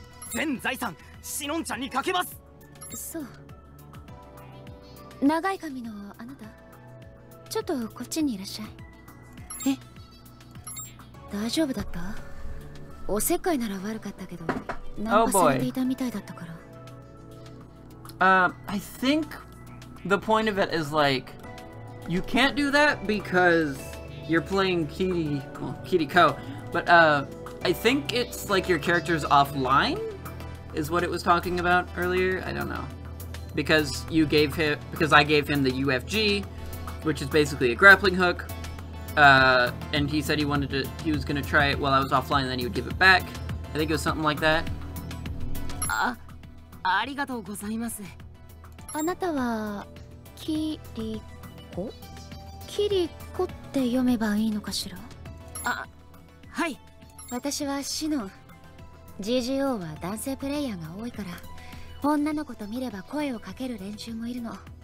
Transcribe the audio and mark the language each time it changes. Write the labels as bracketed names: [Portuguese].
[Japanese] 全財産シノンちゃんにかけます。そう、長い髪のあなた、ちょっとこっちにいらっしゃい。え、大丈夫だった？おせっかいなら悪かったけど、ナンパされていたみたいだったから。 [English] I think the point of it is like, you can't do that because you're playing Kiriko, but I think it's like your character's offline is what it was talking about earlier. I don't know. Because I gave him the UFG, which is basically a grappling hook. And he said he was gonna try it while I was offline, and then he would give it back. I think it was something like that. [Japanese] Ah, ありがとうございます。あなたは、キリコ？キリコって読めばいいのかしら。あ、はい。私はシノン。 GGO は男性プレイヤーが多いから、女の子と見れば声をかける連中もいるの。